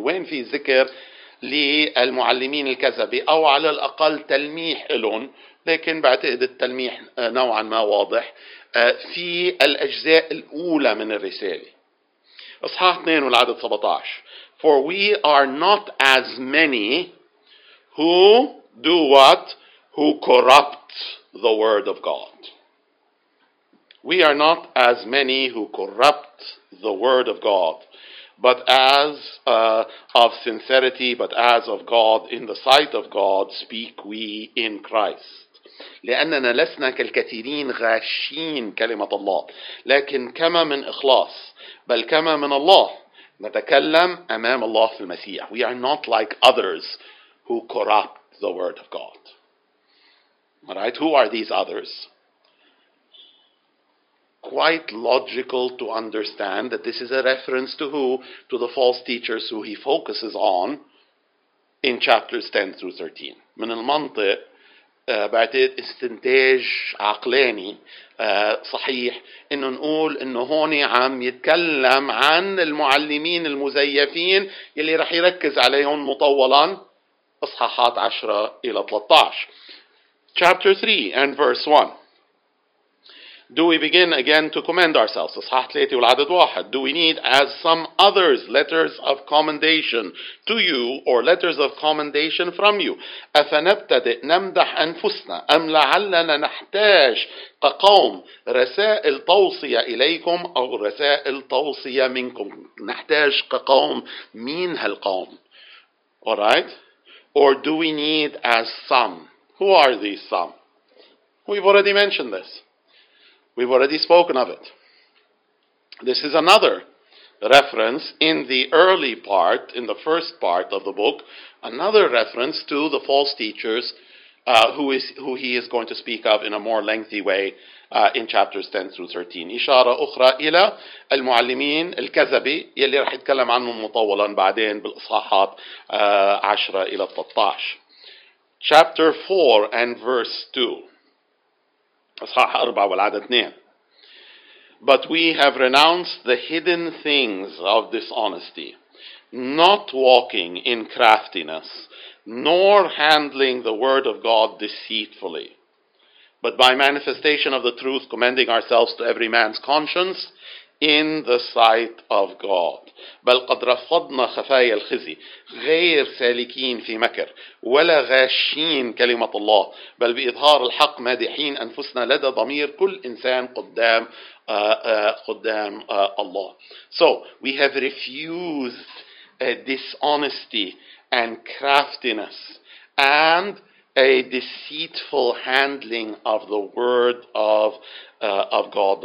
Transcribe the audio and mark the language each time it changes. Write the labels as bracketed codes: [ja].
[ar] وين في ذكر للمعلمين الكذبي أو على الأقل تلميح لهم، لكن بعتقد التلميح نوعا ما واضح في الأجزاء الأولى من الرسالة. إصحاح 2 والعدد 17. [en] For we are not as many who do what? Who corrupt the word of God. We are not as many who corrupt the word of God, but as of sincerity, but as of God, in the sight of God, speak we in Christ. [ar] لأننا لسنا كالكثيرين غاشين كلمة الله، لكن كما من إخلاص، بل كما من الله، نتكلم أمام الله في المسيح. [en] We are not like others who corrupt the word of God. All right, who are these others? Quite logical to understand that this is a reference to who? To the false teachers who he focuses on in chapters 10 through 13. [ar] من المنطق بعتقد استنتاج عقلاني صحيح انه نقول انه هون عم يتكلم عن المعلمين المزيفين يلي رح يركز عليهم مطولا اصحاحات 10 الى 13. [en] Chapter 3 and verse 1. Do we begin again to commend ourselves? [ar] إصحاح 3 والعدد 1. [en] Do we need, as some others, letters of commendation to you or letters of commendation from you? [ar] أفنبتدئ نمدح أنفسنا أم لعلنا نحتاج كقوم رسائل توصية إليكم أو رسائل توصية منكم؟ نحتاج كقوم مين هالقوم؟ [en] All right? Or do we need, as some? Who are these some? We've already mentioned this. We've already spoken of it. This is another reference in the early part, in the first part of the book, another reference to the false teachers who he is going to speak of in a more lengthy way in chapters 10 through 13. [ar] إشارة أخرى إلى المعلمين الكذبي يلي رح يتكلم عنهم مطولا بعدين بالإصحاحات 10 إلى 13. [en] Chapter 4 and verse 2. [ar] إصحاح 4 والعدد 2. [en] But we have renounced the hidden things of dishonesty, not walking in craftiness, nor handling the word of God deceitfully, but by manifestation of the truth, commending ourselves to every man's conscience in the sight of God. [ar] بل قد رفضنا خفايا الخزي غير سالكين في مكر ولا غاشين كلمة الله بل بإظهار الحق مادحين أنفسنا لدى ضمير كل إنسان قدام الله. [en] So we have refused dishonesty and craftiness and a deceitful handling of the word of God.